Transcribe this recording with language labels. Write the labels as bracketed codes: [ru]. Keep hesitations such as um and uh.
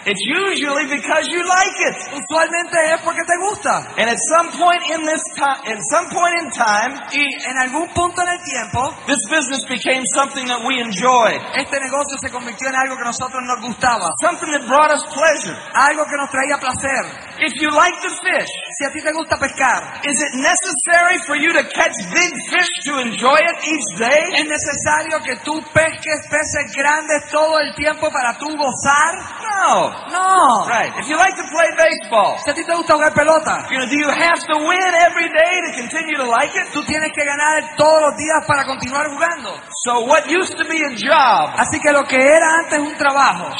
[en] It's usually because you like it. [es] Usualmente es porque te gusta. [en] And at some point in this time, at some point in time, [es] y en algún punto en el tiempo, [en] this business became something that we enjoyed. [es] Este negocio se convirtió en algo que nosotros nos gustaba. [en] Something that brought us pleasure. [es] Algo que nos traía placer. [en] If you like the fish, [es] si a ti pescar, [en] is it necessary for you to catch big fish to enjoy it each day? [es] Es necesario que tú pesques peces grandes todo el tiempo para tú gozar? [en] No. No. Right. If you like to play baseball, [es] si a ti te gusta pelota, [en] you know, do you have to win every day to continue to like it? [es] Tú tienes que ganar todos los días para continuar jugando. [en] So what used to be a job? [es] Así que lo que era antes un trabajo.